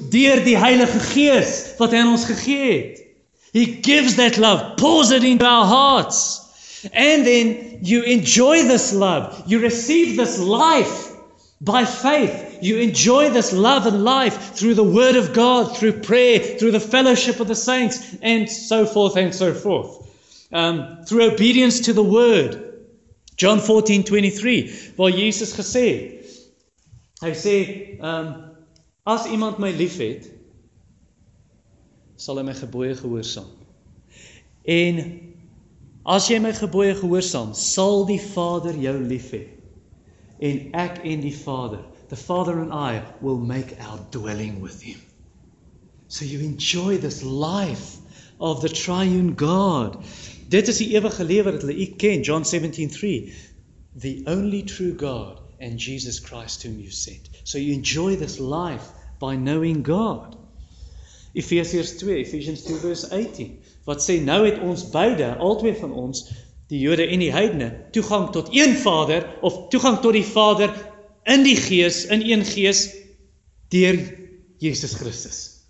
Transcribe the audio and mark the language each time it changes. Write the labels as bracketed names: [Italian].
[Afrikaans] Deur die Heilige Gees, wat hy aan ons gegee het. [English] He gives that love, pours it into our hearts. And then, you enjoy this love, you receive this life, By faith, you enjoy this love and life through the Word of God, through prayer, through the fellowship of the saints, and so forth and so forth. Through obedience to the Word. John 14:23. [Afrikaans] Waar Jesus gesê, hy sê, as iemand my lief het, sal hy my gebooie gehoorsaam. En as jy my gebooie gehoorsaam, sal die Vader jou lief hê. En ek en die Vader, [English] the Father and I, will make our dwelling with Him. So you enjoy this life of the triune God. [Afrikaans] Dit is die ewige lewe wat hulle u ken, [English] John 17:3. The only true God and Jesus Christ whom you sent. So you enjoy this life by knowing God. [Afrikaans] Ephesians 2:18. Wat sê, nou het ons beide, al twee van ons, die Jode en die Heidene, toegang tot een Vader, of toegang tot die Vader in die Gees, in een Gees, deur Jesus Christus.